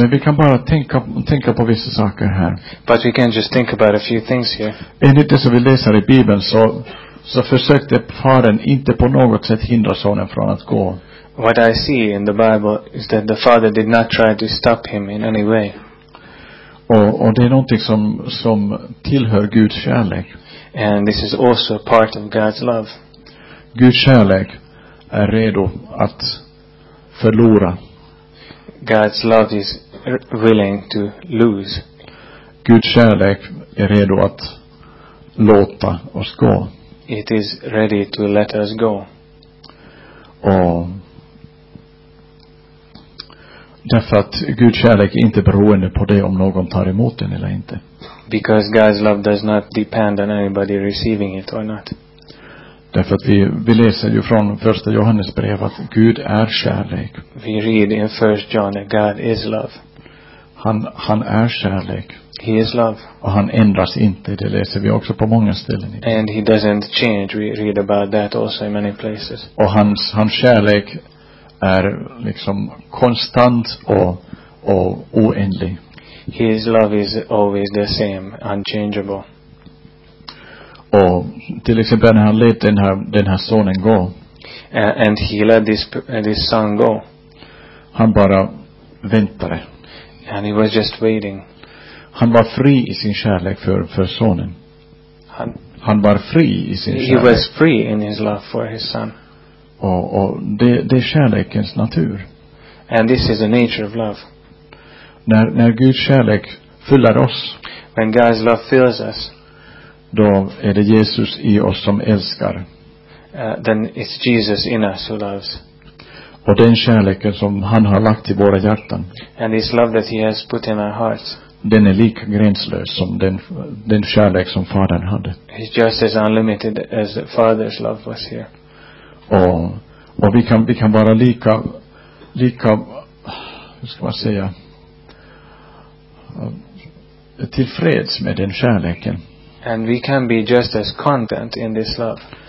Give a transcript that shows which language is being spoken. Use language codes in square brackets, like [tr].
[sv] Men vi kan bara tänka på vissa saker här. [en] But we can just think about a few things here. [sv] Enligt det som vi läser i Bibeln så försökte fadern inte på något sätt hindra sonen från att gå. [en] What I see in the Bible is that the father did not try to stop him in any way. [sv] Och det är någonting som tillhör Guds kärlek. [en] And this is also part of God's love. [sv] Guds kärlek är redo att förlora. [en] God's love is willing to lose. [sv] Guds kärlek är redo att låta oss gå. [en] It is ready to let us go. [sv] Och därför att Guds kärlek inte beroende på det om någon tar emot den eller inte. [en] Because God's love does not depend on anybody receiving it or not. [sv] Därför att vi läser ju från första Johannes brev att Gud är kärlek. [en] We read in 1 John that God is love. [sv] Han är kärlek. [en] He is love. [sv] Och han ändras inte, det läser vi också på många ställen. [en] And he doesn't change, we read about that also in many places. [sv] Och hans kärlek är liksom konstant och oändlig. [en] His love is always the same, unchangeable. [sv] Och till exempel när han lät den här sonen gå. [en] And he let this son go. [sv] Han bara väntade. [en] And he was just waiting. [sv] Han var fri i sin kärlek för sonen. Han var fri i sin kärlek. [en] He was free in his love for his son. [sv] och det är kärlekens natur. [en] And this is the nature of love. [sv] När Guds kärlek fyller oss. [en] When God's love fills us. [sv] Då är det Jesus i oss som älskar. [en] Then it's Jesus in us who loves. [sv] Och den kärleken som han har lagt i våra hjärtan. [en] And this love that he has put in our hearts. [sv] Den är lika gränslös som den kärlek som fadern hade. [en] It's just as unlimited as the father's love was here. [sv] Och vi kan vara lika hur ska man säga tillfreds med den kärleken. [en] And we can be just as content in this love.